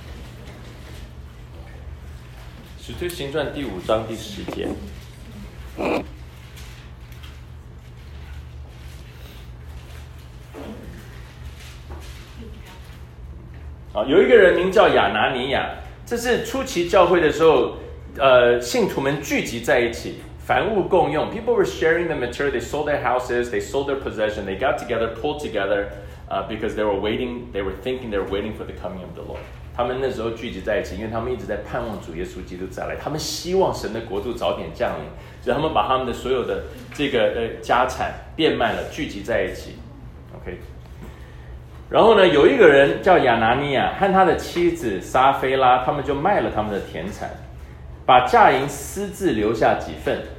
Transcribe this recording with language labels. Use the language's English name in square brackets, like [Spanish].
[Chinese] 《使徒行传》第五章第十节，有一个人名叫亚拿尼亚，这是初期教会的时候，信徒们聚集在一起，凡物共用。 [English] People were sharing the material. They sold their houses. They sold their possession. They got together, pulled together, because they were waiting. They were thinking. They were waiting for the coming of the Lord. [Chinese] 他们那时候聚集在一起，因为他们一直在盼望主耶稣基督再来，他们希望神的国度早点降临，所以他们把他们的所有的这个家产变卖了，聚集在一起。 OK， 然后呢，有一个人叫亚拿尼亚和他的妻子撒菲拉，他们就卖了他们的田产，把价银私自留下几份。